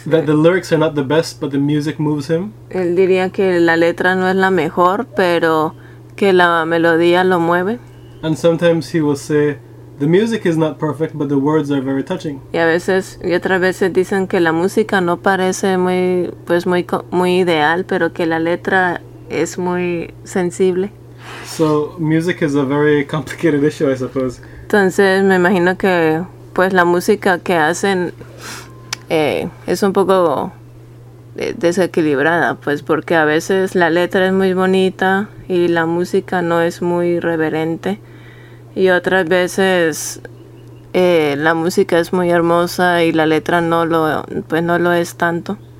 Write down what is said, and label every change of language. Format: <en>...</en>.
<en>that the lyrics are not the best but the music moves him.</en> <es>Él diría que la letra no es la mejor, pero que la melodía lo mueve.</es> <en>And sometimes he will say The music is not perfect, but the words are very touching.</en> <es>Y a veces, y otras veces dicen que la música no parece muy, pues muy, muy ideal, pero que la letra es muy sensible.</es> <en>So music is a very complicated issue, I suppose.</en> <es>Entonces me imagino que, pues la música que hacen es un poco desequilibrada, pues porque a veces la letra es muy bonita y la música no es muy reverente. Y otras veces la música es muy hermosa y la letra no lo, pues no lo es tanto.</es>